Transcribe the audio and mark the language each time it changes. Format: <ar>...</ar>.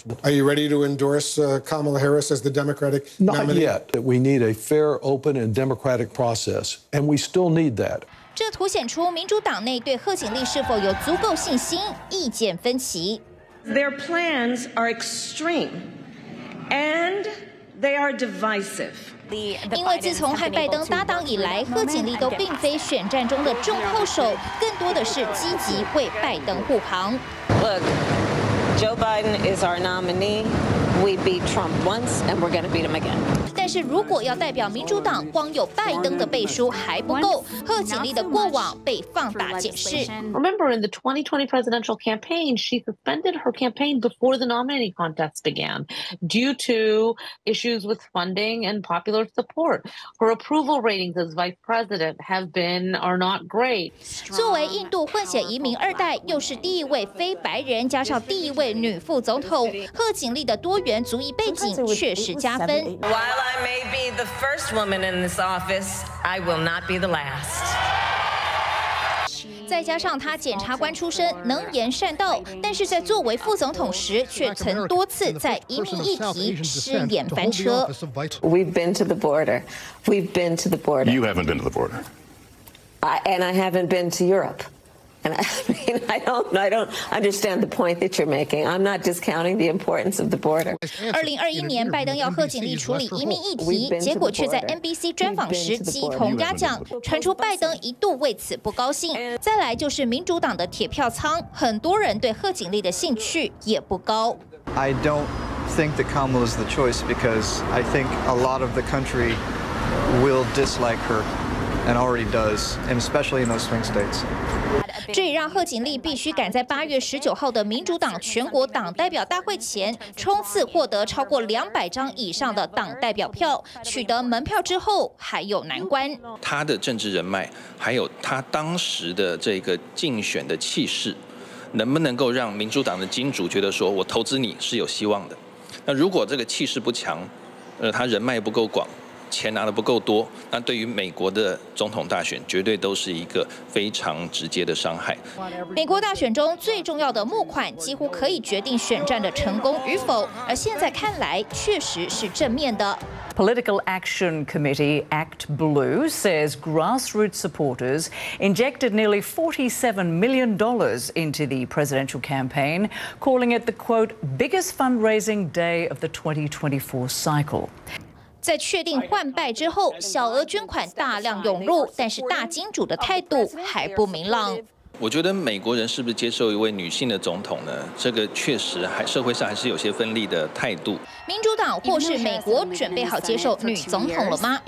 <en>Are you ready to endorse Kamala Harris as the Democratic nominee? Not yet. We need a fair, open, and democratic process, and we still need that.</en> <zh>这凸显出民主党内对贺锦丽是否有足够信心，意见分歧。</zh> <en>Their plans are extreme. And they are divisive.</en> <zh>因为自从和拜登搭档以来，贺锦丽都并非选战中的重炮手，更多的是积极为拜登护航。</zh> <en>Look, Joe Biden is our nominee. We beat Trump once, and we're going to beat him again.</en> <zh>但是如果要代表民主党，光有拜登的背书还不够，贺锦丽的过往被放大解释。</zh> <en>Remember, in the 2020 presidential campaign, she suspended her campaign before the nominating contest began, due to issues with funding and popular support. Her approval ratings as vice president are not great.</en> <zh>作为印度混血移民二代，又是第一位非白人，加上第一位女副总统，贺锦丽的多元族裔背景确实加分。</zh> <en>While I may be the first woman in this office, I will not be the last.</en> <zh>再加上她检察官出身，能言善道，但是在作为副总统时，却曾多次在移民议题失言翻车。</zh> <en>We've been to the border. We've been to the border. You haven't been to the border. I haven't been to Europe. I don't understand the point that you're making. I'm not discounting the importance of the border.</en> <zh>2021年，拜登要贺锦丽处理移民议题，结果却在 NBC 专访时鸡同鸭讲，传出拜登一度为此不高兴。再来就是民主党的铁票仓，很多人对贺锦丽的兴趣也不高。</zh> <en>I don't think that Kamala is the choice because I think a lot of the country will dislike her. And already does, and especially in those swing states.</en> <zh>这也让贺锦丽必须赶在8月19号的民主党全国党代表大会前，冲刺获得超过200张以上的党代表票，取得门票之后还有难关。他的政治人脉，还有他当时的这个竞选的气势，能不能够让民主党的金主觉得说我投资你是有希望的？那如果这个气势不强，他人脉不够广。钱拿的不够多，那对于美国的总统大选绝对都是一个非常直接的伤害。美国大选中最重要的募款几乎可以决定选战的成功与否，而现在看来确实是正面的。</zh> <en>Political Action Committee Act Blue says grassroots supporters injected nearly $47 million into the presidential campaign, calling it the quote biggest fundraising day of the 2024 cycle.</en> <zh>在确定换败之后，小额捐款大量涌入，但是大金主的态度还不明朗。我觉得美国人是不是接受一位女性的总统呢？这个确实还社会上还是有些分立的态度。民主党或是美国准备好接受女总统了吗？</zh>